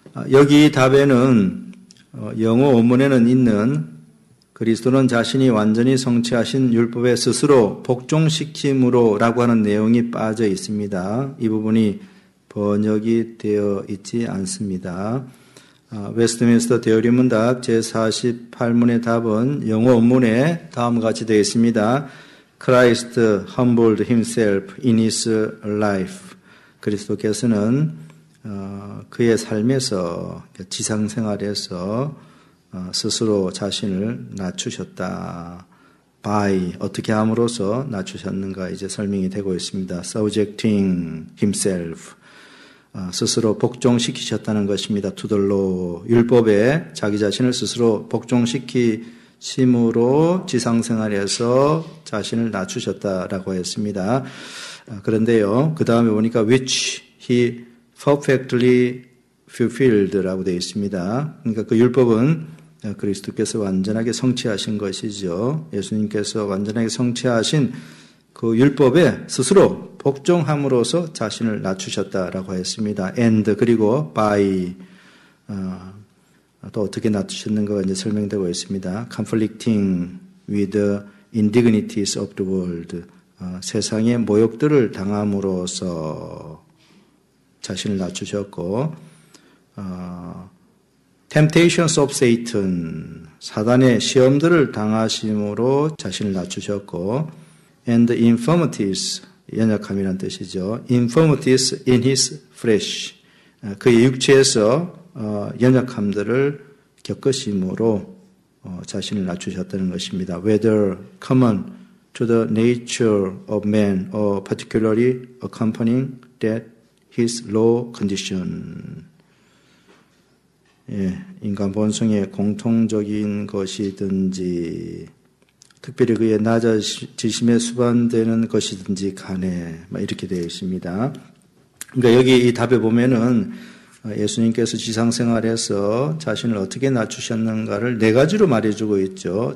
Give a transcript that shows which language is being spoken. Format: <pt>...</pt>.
<ko>여기 답에는 영어 원문에는 있는 그리스도는 자신이 완전히 성취하신 율법에 스스로 복종시킴으로 라고 하는 내용이 빠져 있습니다. 이 부분이 번역이 되어 있지 않습니다. 웨스트민스터 대여리문답 제48문의 답은 영어 원문에 다음과 같이 되어 있습니다.</ko> <en>Christ humbled himself in his life.</en> <ko>그리스도께서는 그의 삶에서 지상생활에서 스스로 자신을 낮추셨다. By 어떻게 함으로써 낮추셨는가 이제 설명이 되고 있습니다.</ko> <en>Subjecting himself.</en> <ko>스스로 복종시키셨다는 것입니다.</ko> <en>To the law.</en> <ko>율법에 자기 자신을 스스로 복종시키 심으로 지상생활에서 자신을 낮추셨다라고 했습니다. 그런데요, 그 다음에 보니까 which he perfectly fulfilled 라고 되어 있습니다. 그러니까 그 율법은 그리스도께서 완전하게 성취하신 것이죠. 예수님께서 완전하게 성취하신 그 율법에 스스로 복종함으로써 자신을 낮추셨다라고 했습니다. And 그리고 by 또 어떻게 낮추셨는가가 이제 설명되고 있습니다.</ko> <en>Conflicting with the indignities of the world.</en> <ko>세상의 모욕들을 당함으로써 자신을 낮추셨고 Temptations of Satan. 사단의 시험들을 당하심으로 자신을 낮추셨고 And the infirmities. 연약함이란 뜻이죠.</ko> <en>Infirmities in his flesh.</en> <ko>그의 육체에서 연약함들을 겪으심으로 자신을 낮추셨다는 것입니다.</ko> <en>Whether common to the nature of man or particularly accompanying that his low condition.</en> <ko>예, 인간 본성의 공통적인 것이든지 특별히 그의 낮아지심에 수반되는 것이든지 간에 이렇게 되어 있습니다. 그러니까 여기 이 답에 보면은 예수님께서 지상생활에서 자신을 어떻게 낮추셨는가를 네 가지로 말해주고 있죠.</ko>